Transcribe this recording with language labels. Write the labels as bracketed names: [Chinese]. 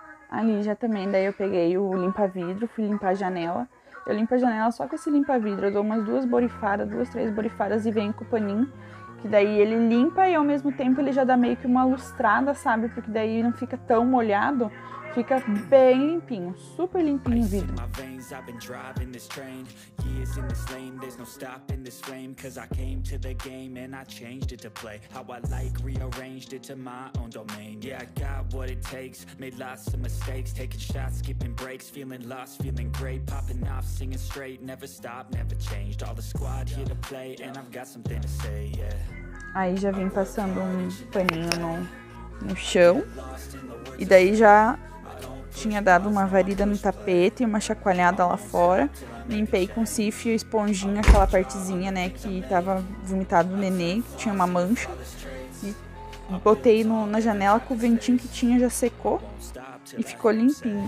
[Portuguese] Ali já também, daí eu peguei o limpa-vidro, fui limpar a janela. Eu limpo a janela só com esse limpa-vidro, eu dou umas duas borifadas, duas, três borifadas e venho com o paninho. Que daí ele limpa e ao mesmo tempo ele já dá meio que uma lustrada, sabe? Porque daí não fica tão molhado, fica bem limpinho, super limpinho o vidro. [English] I've been driving this train, years in this lane, there's no stopping this flame, cause I came to the game and I changed it to play, how I like rearranged it to my own domain, yeah I got what it takes, made lots of mistakes, taking shots, skipping breaks, feeling lost, feeling great, popping off, singing straight, never stopped, never changed, all the squad here to play, and I've got something to say, yeah. [Portuguese] Aí já vim passando um paninho no chão. E daí já tinha dado uma varida no tapete e uma chacoalhada lá fora. Limpei com Cif e esponjinha aquela partezinha, né, que tava vomitado do neném, que tinha uma mancha. E botei no, na janela com o ventinho que tinha, já secou e ficou limpinho.